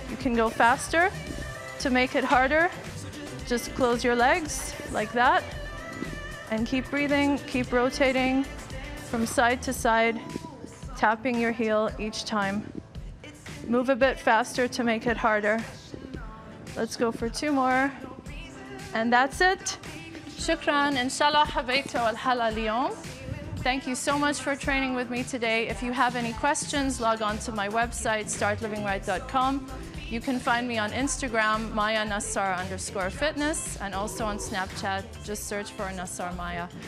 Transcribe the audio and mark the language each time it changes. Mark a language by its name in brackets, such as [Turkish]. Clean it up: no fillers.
[English] You can go faster. To make it harder, just close your legs like that and keep breathing, keep rotating from side to side, tapping your heel each time. Move a bit faster to make it harder. Let's go for two more. And that's it. [Arabic] شكرا إن شاء الله حبيتوا الحلقة اليوم. [English] Thank you so much for training with me today. If you have any questions, log on to my website, startlivingright.com. You can find me on Instagram, maya_nassar_fitness, and also on Snapchat, just search for Nassar Maya.